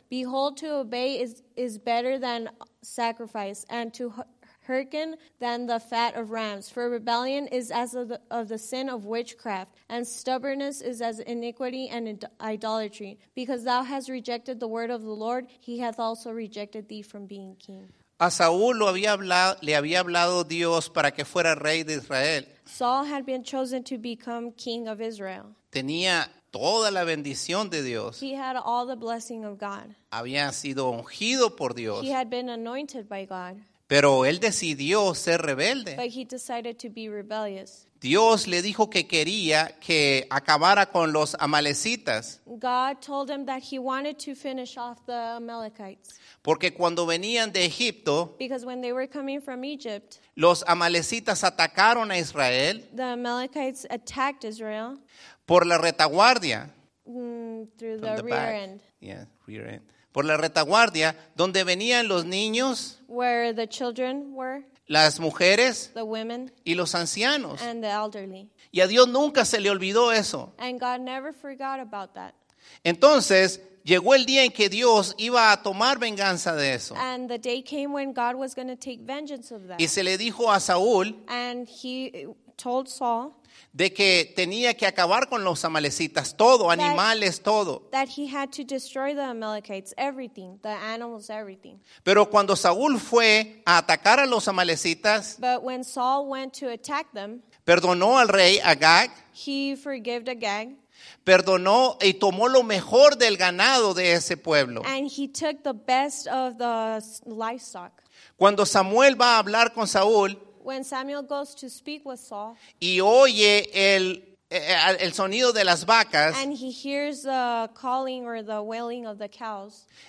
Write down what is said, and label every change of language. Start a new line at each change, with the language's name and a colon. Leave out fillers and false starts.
English: Behold, to obey is better than sacrifice, and to hearken than the fat of rams. For rebellion is as of the sin of witchcraft, and stubbornness is as iniquity and idolatry. Because thou hast rejected the word of the Lord, he hath also rejected thee from being king.
Spanish: A Saúl le había hablado Dios para que fuera rey de Israel.
English: Saul had been chosen to become king of Israel.
Spanish: Tenía toda la bendición de Dios.
English: He had all the blessing of God.
Spanish: Había sido ungido por Dios.
English: He had been anointed by God.
Spanish: Pero él decidió ser rebelde.
English: But he decided to be rebellious.
Spanish: Dios le dijo que quería que acabara con los amalecitas.
English: God told him that he wanted to finish off the Amalekites.
Spanish: Porque cuando venían de Egipto,
English: because when they were coming from Egypt,
Spanish: los amalecitas atacaron a Israel.
English: The Amalekites attacked Israel.
Spanish: Por la retaguardia.
English: Through the rear end. Yeah, rear end.
Spanish: Por la retaguardia, donde venían los niños,
English: where the children were,
Spanish: las mujeres,
English: the women,
Spanish: y los ancianos,
English: and the elderly.
Spanish: Y a Dios nunca se le olvidó eso.
English: And God never forgot about that.
Spanish: Entonces, llegó el día en que Dios iba a tomar venganza de eso.
English: And the day came when God was going to take vengeance of that.
Spanish: Y se le dijo a Saúl,
English: and he told Saul,
Spanish: de que tenía que acabar con los amalecitas, todo, that, animales, todo.
English: That he had to destroy the Amalekites, everything, the animals, everything.
Spanish: Pero cuando Saúl fue a atacar a los amalecitas,
English: but when Saul went to attack them,
Spanish: perdonó al rey Agag,
English: he forgived Agag,
Spanish: perdonó y tomó lo mejor del ganado de ese pueblo.
English: And he took the best of the livestock.
Spanish: Cuando Samuel va a hablar con Saúl,
English: when Samuel goes to speak with Saul,
Spanish: y oye el sonido de las vacas,
English: and he hears the calling or the wailing of the cows,